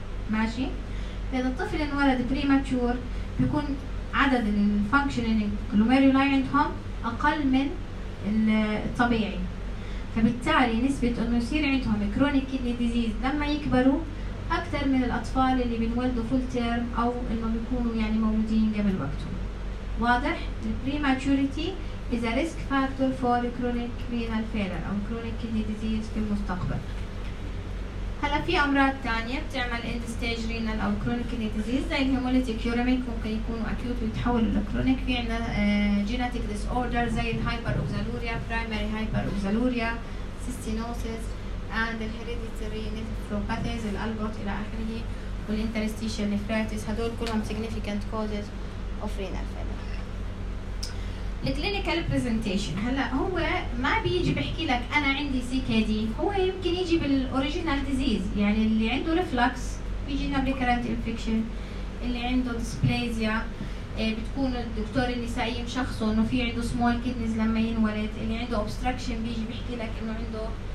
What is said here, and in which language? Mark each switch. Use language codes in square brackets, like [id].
[ar] ماشي فاذا الطفل انولد بريماتشور بيكون عدد الفانكشنال جلوميرولاي عندهم اقل من الطبيعي فبالتالي نسبه انه يصير عندهم كرونيك كيدني ديزيز لما يكبروا اكثر من الاطفال اللي بنولدوا فول تيرم او انه بيكونوا يعني مولودين قبل وقتهم. واضح البريماتوريتي [en] is a risk factor for chronic renal failure [ar] أو [en] chronic kidney disease [ar] في المستقبل. هلا في أمراض تانية بتعمل [en] end stage renal [ar] أو [en] chronic kidney disease [ar] زي [en] hemolytic uremic [ar] ممكن يكون acute ويتحول إلى chronic. في عندنا [en] genetic disorder زي hyperoxaluria primary hyperoxaluria cystinosis and hereditary nephropathies الألبط إلى آخره والinterstitial nephritis [ar] هدول كلهم [en] significant causes of renal failure. [ar] الكلينيكال بريزنتيشن هلا هو ما بيجي بحكي لك انا عندي سي كي دي هو يمكن يجي بالاوريجينال ديزيز يعني اللي عنده ريفلكس بيجي له ريكرنت انفيكشن اللي عنده ديسبلازيا بتكون الدكتور النسائي مشخصه انه في عنده سمول كيدنيز لما ينولد اللي عنده اوبستراكشن بيجي بحكي لك انه عنده